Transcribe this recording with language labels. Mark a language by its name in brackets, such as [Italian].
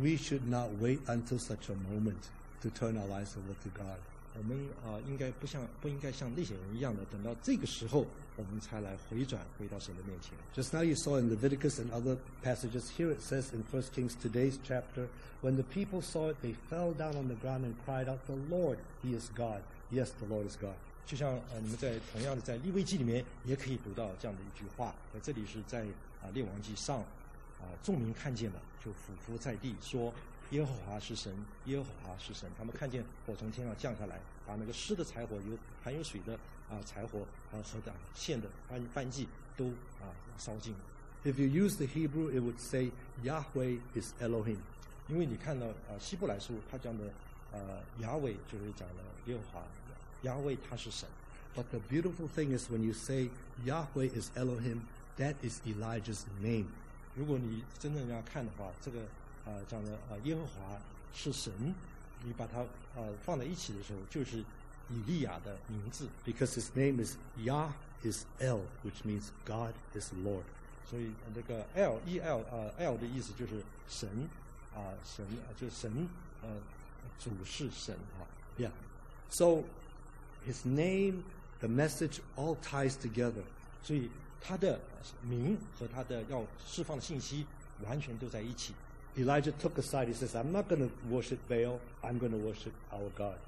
[English] We should not wait until such a moment to turn our lives over to God. [Chinese] 我们不应该像那些人一样的等到这个时候我们才来回转回到神的面前 [English] Just now you saw in Leviticus and other passages here it says in 1 Kings today's chapter when the people saw it they fell down on the ground and cried out the Lord he is God yes the Lord is God [Chinese] 就像你们在同样的在利未记里面也可以读到这样的一句话这里是在列王记上众民看见了就俯伏在地说耶和华是神耶和华是神他们看见火从天上降下来把那个湿的柴火含有水的柴火和线的燔祭都烧尽了 [English] If you use the Hebrew it would say Yahweh is Elohim [Chinese] 因为你看到希伯来书他讲的亚伟就是讲的耶和华亚伟他是神 [English] But the beautiful thing is when you say Yahweh is Elohim that is Elijah's name [Chinese] 如果你真正要看的话这个讲的耶和华是神你把它放在一起的时候就是以利亚的名字 [English] because his name is Yah is El which means God is Lord [Chinese] 所以那个 El 的意思就是神神就是神主是神 [English] Yeah So his name the message all ties together [Chinese] 所以他的名和他的要释放的信息完全都在一起 [English] Elijah took aside he says I'm not going to worship Baal I'm going to worship our God